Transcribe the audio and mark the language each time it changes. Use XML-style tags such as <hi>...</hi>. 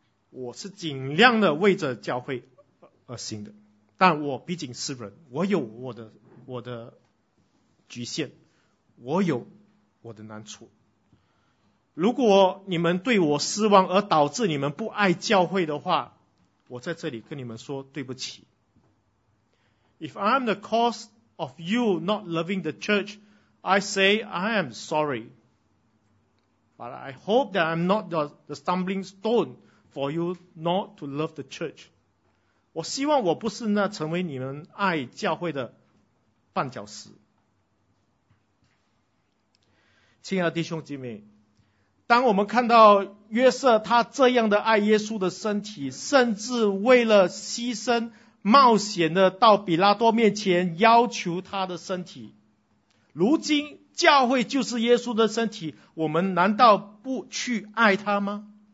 <zh>我是尽量的为着教会而行的，但我毕竟是人，我有我的局限，我有我的难处。如果你们对我失望而导致你们不爱教会的话，我在这里跟你们说对不起。</zh> <en>If I'm the cause of you not loving the church, I say I am sorry. But I hope that I'm not the stumbling stone for you not to love the church.</en> <zh>我希望我不是那成为你们爱教会的绊脚石。亲爱的弟兄姐妹，当我们看到约瑟他这样的爱耶稣的身体，甚至为了牺牲冒险的到比拉多面前要求他的身体，如今教会就是耶稣的身体，我们难道不去爱他吗？</zh>